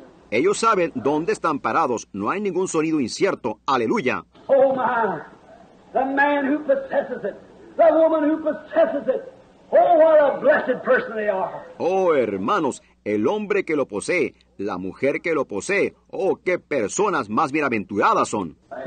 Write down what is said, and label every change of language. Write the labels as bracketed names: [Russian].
[Spanish] Ellos saben dónde están parados. No hay ningún sonido incierto. Aleluya. [English] Oh, my. The man who possesses it. The woman who possesses it. Oh, what a blessed person they are. [Spanish] Oh, hermanos, el hombre que lo posee, la mujer que lo posee, oh, qué personas más bienaventuradas son.